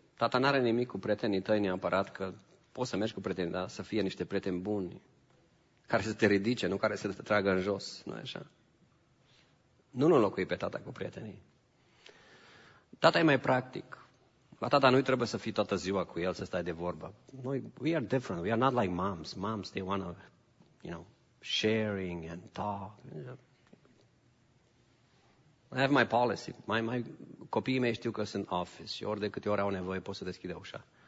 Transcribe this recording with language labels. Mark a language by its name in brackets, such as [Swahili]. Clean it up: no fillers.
[Romanian] Tata n-are nimic cu prietenii tăi neapărat, că poți să mergi cu prietenii, dar să fie niște prieteni buni, care să te ridice, nu care să te tragă în jos, nu-i așa? Nu îl înlocui pe tata cu prietenii. Tata e mai practic. La tata nu-i trebuie să fii toată ziua cu el, să stai de vorbă. Noi, [English] we are different. We are not like moms. Moms, they want to, you know, sharing and talk. I have my policy. [Romanian] My copiii mei știu că sunt office. Și ori de câte ori au nevoie, pot să deschide ușa.